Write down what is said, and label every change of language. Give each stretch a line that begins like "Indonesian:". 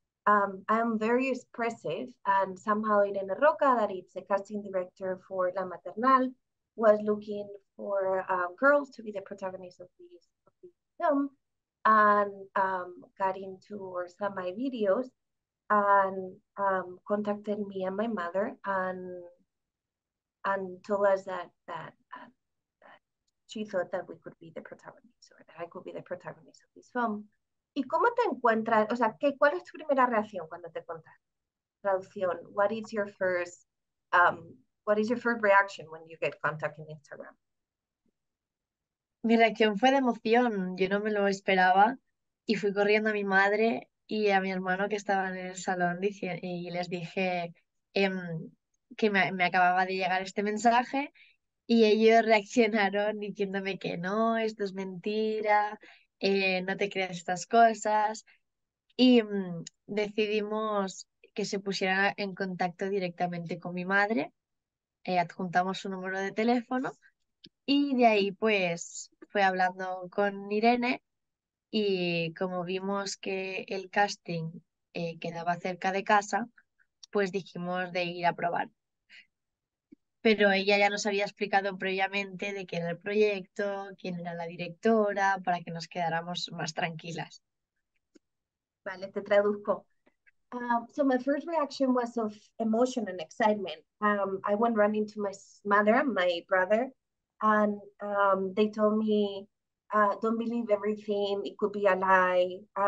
English: I'm very expressive, and somehow Irene Roca, that it's a casting director for La Maternal, was looking for girls to be the protagonists of the film, and got into or saw my videos, and contacted me and my mother, and told us that she thought that we could be the protagonists, or that I could be the protagonist of this film.
Spanish: ¿Y cómo te encuentras? O sea, ¿cuál es tu primera reacción cuando te contactan? Traducción.
English: What is your first What is your first reaction when you get contact in Instagram?
Spanish: Mi reacción fue de emoción, yo no me lo esperaba y fui corriendo a mi madre y a mi hermano que estaban en el salón y les dije que me acababa de llegar este mensaje y ellos reaccionaron diciéndome que no, esto es mentira, no te creas estas cosas y decidimos que se pusieran en contacto directamente con mi madre, adjuntamos su número de teléfono y de ahí pues fue hablando con Irene y como vimos que el casting quedaba cerca de casa, pues dijimos de ir a probar. Pero ella ya nos había explicado previamente de qué era el proyecto, quién era la directora, para que nos quedáramos más tranquilas. Vale, te traduzco.
English: So my first reaction was of emotion and excitement. I went running to my mother and my brother, and they told me, don't believe everything, it could be a lie.